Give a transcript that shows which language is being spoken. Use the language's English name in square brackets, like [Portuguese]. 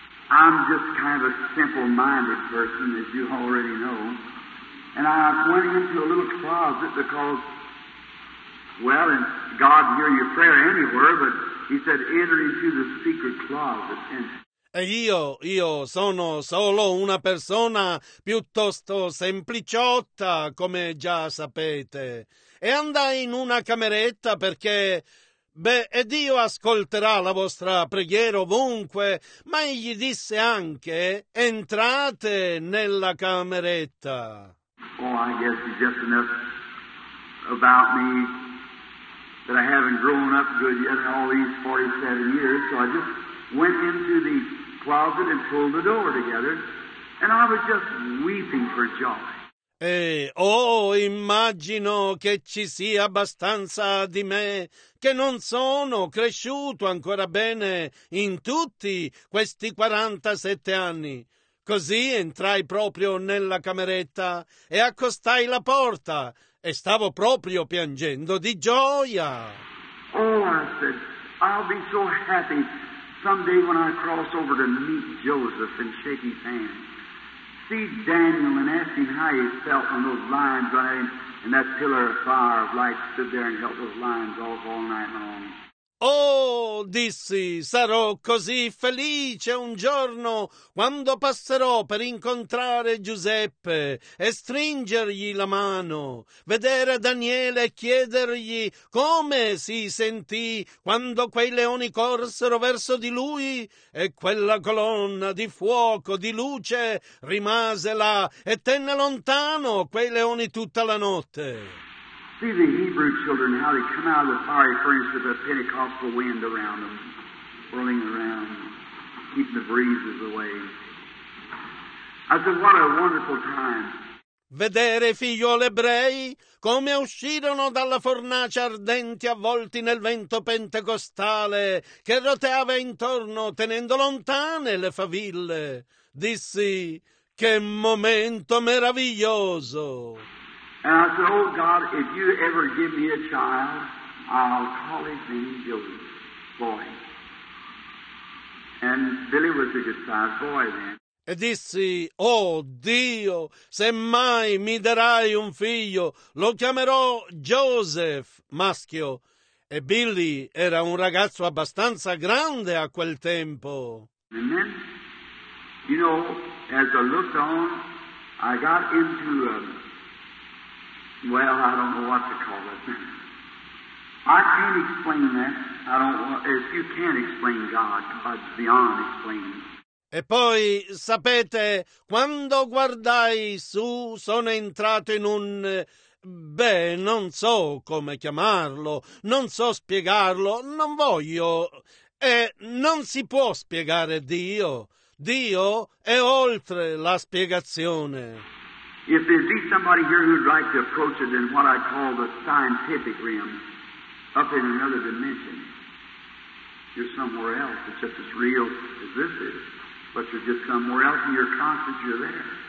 [English] I'm just kind of a simple-minded person, as you already know. And I went into a little closet because, well, and God hear your prayer anywhere, but he said, enter into the secret closet. [Italian] E io sono solo una persona piuttosto sempliciotta, come già sapete. E andai in una cameretta perché... Beh, e Dio ascolterà la vostra preghiera ovunque, ma egli disse anche, entrate nella cameretta. [English] Oh, I guess it's just enough about me that I haven't grown up good yet in all these 47 years, so I just went into the closet and pulled the door together, and I was just weeping for joy. [Italian] E, oh, immagino che ci sia abbastanza di me, che non sono cresciuto ancora bene in tutti questi 47 anni. Così entrai proprio nella cameretta e accostai la porta e stavo proprio piangendo di gioia. [English] Oh, I said, I'll be so happy someday when I cross over to meet Joseph and shake his hand. See Daniel and ask him how he felt when those lions running and that pillar of fire of light stood there and held those lions off all night long. [Italian] Oh, dissi, sarò così felice un giorno quando passerò per incontrare Giuseppe e stringergli la mano, vedere Daniele e chiedergli come si sentì quando quei leoni corsero verso di lui e quella colonna di fuoco, di luce, rimase là e tenne lontano quei leoni tutta la notte. [English] See the Hebrew children, how they come out of the fiery furnace with a Pentecostal wind around them, whirling around, keeping the breezes away. I said, what a wonderful time. [Italian] Vedere i figlioli ebrei come uscirono dalla fornace ardenti avvolti nel vento pentecostale che roteava intorno tenendo lontane le faville. Dissi, che momento meraviglioso! [English] And I said, oh God, if you ever give me a child, I'll call his name Joseph, boy. And Billy was a good-sized boy then. [Italian] E dissi, oh Dio, se mai mi darai un figlio, lo chiamerò Joseph, maschio. E Billy era un ragazzo abbastanza grande a quel tempo. [English] And then, you know, as I looked on, I got into a... Well, I don't know what to call it. I can't explain that. I don't. If you can't explain God, God's beyond explaining. [Italian] E poi, sapete, quando guardai su, sono entrato in un... Beh, non so come chiamarlo, non so spiegarlo, non voglio... non si può spiegare Dio. Dio è oltre la spiegazione. [English] If there'd be somebody here who'd like to approach it in what I call the scientific realm, up in another dimension, you're somewhere else. It's just as real as this is, but you're just somewhere else and you're conscious you're there.